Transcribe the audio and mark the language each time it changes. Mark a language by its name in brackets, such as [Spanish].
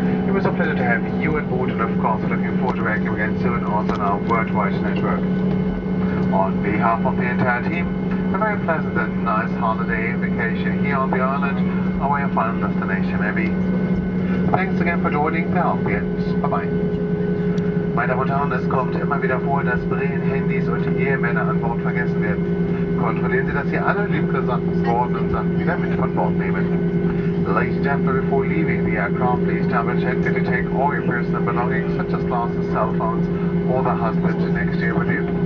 [English] It was a pleasure to have you aboard, and of course, looking forward to working again soon also on our worldwide network. On behalf of the entire team, a very pleasant and nice holiday vacation here on the island, or your final destination maybe. Thanks again for joining the Alphabet. Bye-bye. [German] Meine Damen und Herren, es kommt immer wieder vor, dass Brillen, Handys und die Ehemänner an Bord vergessen werden. Kontrollieren Sie, dass Sie alle liebgewordenen Sachen wieder mit von Bord nehmen. [English] Ladies and gentlemen, before leaving the aircraft, please double check that you take all your personal belongings, such as glasses, cell phones, or the husband next to you with you.